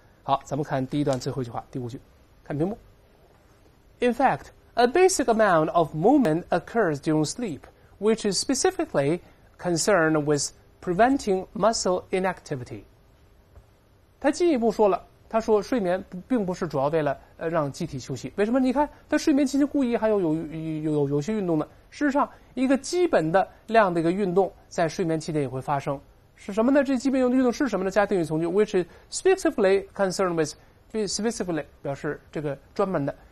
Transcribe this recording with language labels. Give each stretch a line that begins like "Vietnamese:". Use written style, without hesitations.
Chinese: 好，咱们看第一段最后一句话，第五句，看屏幕。
English: In fact, a basic amount of movement occurs during sleep, which is specifically concerned with preventing muscle inactivity.
Chinese: 他进一步说了，他说睡眠并不是主要为了让机体休息。为什么？你看，他睡眠期间故意还要有些运动呢。事实上，一个基本的量的一个运动在睡眠期间也会发生。是什么呢？这基本运动是什么呢？加定语从句 ，
English: which specifically concerned with，
Chinese: specifically 表示这个专门的。